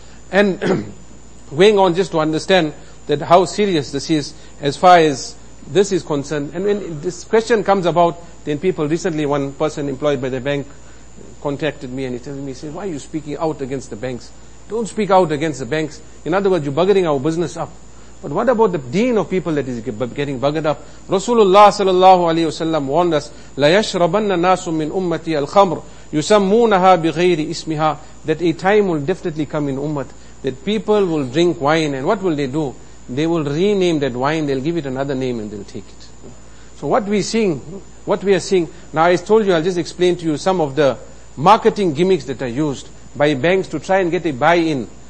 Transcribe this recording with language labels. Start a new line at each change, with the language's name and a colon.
English: And going on just to understand that how serious this is as far as this is concerned. And when this question comes about, then people recently, one person employed by the bank contacted me and he said, why are you speaking out against the banks? Don't speak out against the banks. In other words, you're buggering our business up. But what about the deen of people that is getting buggered up? Rasulullah sallallahu alayhi wa sallam warned us,
Arabic: لَا يَشْرَبَنَّ نَاسٌ مِّنْ أُمَّتِي الْخَمْرُ يُسَمُّونَهَا بِغَيْرِ إِسْمِهَا.
English: That a time will definitely come in Ummat that people will drink wine, and what will they do? They will rename that wine, they'll give it another name and they'll take it. So what we are seeing, now I told you, I'll just explain to you some of the marketing gimmicks that are used by banks to try and get a buy-in.